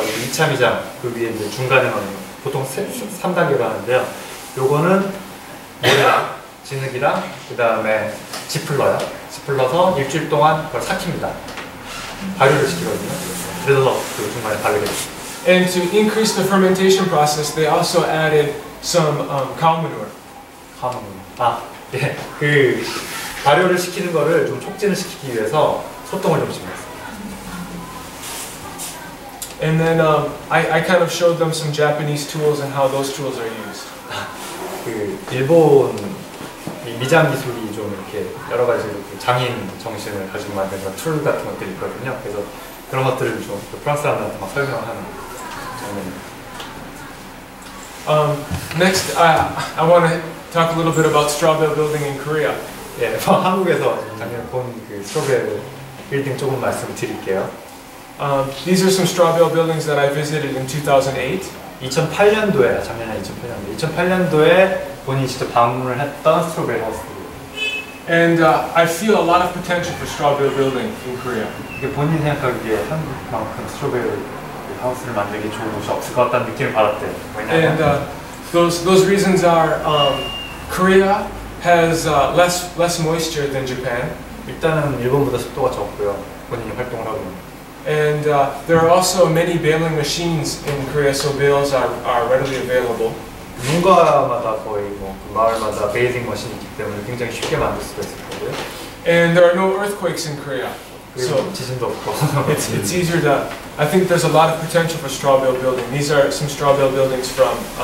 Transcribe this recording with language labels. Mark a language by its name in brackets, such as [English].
[Korean] 2차 미장 그 위에 이제 중간에 넣는 보통 3단계로 하는데요. 요거는 모래랑 진흙이랑 그 다음에 지플러요. 지플러서 일주일 동안 그걸 삭힙니다. 발효를 시키거든요. 그래서 그 중간에 바르게 됩니다. [English] And to increase the fermentation process, they also added some cow manure. Cow manure. [Korean] 아, 예. 그 발효를 시키는 거를 좀 촉진을 시키기 위해서 소똥을 좀 심었어요. [English] And then I kind of showed them some Japanese tools and how those tools are used. [Korean] 그 일본 미장 기술이 좀 이렇게 여러 가지 장인 정신을 가지고 만든 툴 같은 것들이 있거든요. 그래서 그런 것들을 좀 프랑스 사람들한테 막 설명하는. [English] Next, I want to talk a little bit about straw bale building in Korea. [Korean] 예, 한국에서 작년 본 그 스트로베일 빌딩 조금 말씀드릴게요. [English] These are some straw bale buildings that I visited in 2008. [Korean] 2008년도에 작년에 2008년도에 본인이 직접 방문을 했던 스트로베일 하우스들. [English] And I feel a lot of potential for straw bale building in Korea. [Korean] 이게 본인 생각하기에 한국만큼 스트로베일 하우스를 만들기 좋은 곳이 없을 것 같다는 느낌을 받았대. 왜냐하면 [English] And those reasons are Korea has less moisture than Japan. [Korean] 일단은 일본보다 습도가 적고요. 본인이 활동을 하고 있는. [English] And there are also many baling machines in Korea, so bales are readily available. [Korean] 농가마다 거의 뭐 그 마을마다 베일링 머신이 있기 때문에 굉장히 쉽게 만들 수가 있을 거고요. [English] And there are no earthquakes in Korea. [Korean] So 지진도 없고. [English] it's easier to. I think there's a lot of potential for straw bale building. These are some straw bale buildings from